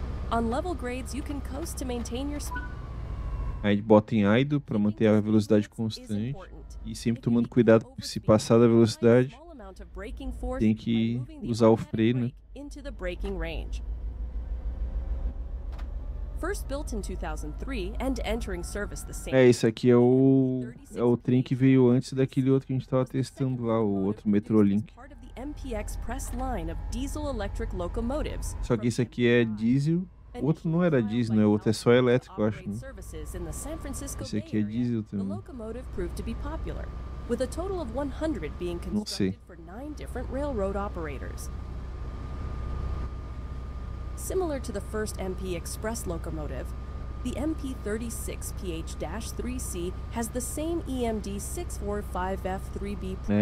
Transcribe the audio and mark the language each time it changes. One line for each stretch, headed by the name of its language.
English: On level grades, you can coast to maintain your speed.
Portuguese: Aí bota em idle para manter a velocidade constante e sempre tomando cuidado por se passar da velocidade. Tem que usar o freio, né?
English: Into the braking range. First built in 2003 and entering service the same.
Portuguese: É, esse aqui é o trem que veio antes daquele outro que a gente estava testando lá, o outro Metrolink.
English: MPX Press line of diesel electric locomotives.
Portuguese: Só que esse aqui é diesel. O outro não era diesel, né? O outro é só elétrico, eu acho, né? Esse aqui é diesel também.
English: The locomotive proved to be popular, with a total of 100 being constructed for 9 different railroad operators. Similar to the first MP Express locomotive, the MP36PH-3C has the same EMD645F3B